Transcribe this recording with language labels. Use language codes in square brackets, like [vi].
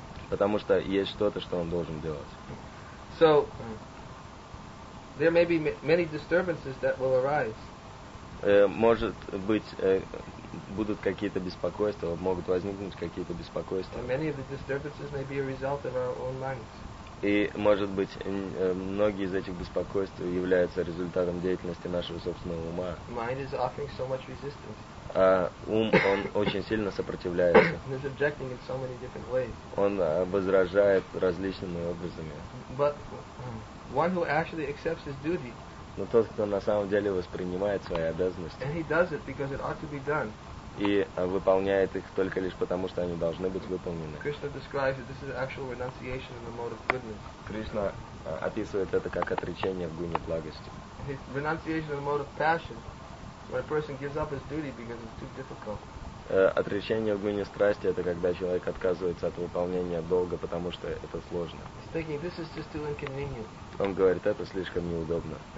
[ru] Потому что есть что-то, что он должен делать. [en] So, there may be many disturbances that will arise. [ru] Может быть, будут какие-то беспокойства, могут возникнуть какие-то беспокойства. [en] And many of the disturbances may be a result of our own minds. [ru] И, может быть, многие из этих беспокойств являются результатом деятельности нашего собственного ума. [en] Mind is offering so much resistance. [ru] А ум, он очень сильно сопротивляется. [en] And is objecting in so many different ways. [ru] Он возражает различными образами. [en] But one who actually accepts his duty. [ru] Но тот, кто на самом деле воспринимает свои обязанности. [en] And he does it because it ought to be done. [ru] И выполняет их только лишь потому, что они должны быть выполнены. [en] Krishna describes it, this is actual renunciation in the mode of goodness. [ru] Кришна описывает это как отречение в гуне благости. [en] His renunciation in the mode of passion, when a person gives up his duty because it's too difficult. [ru] Отречение в гуне страсти – это когда человек отказывается от выполнения долга, потому что это сложно. [en] He's thinking, this is just too inconvenient. [ru] Он говорит, это слишком неудобно.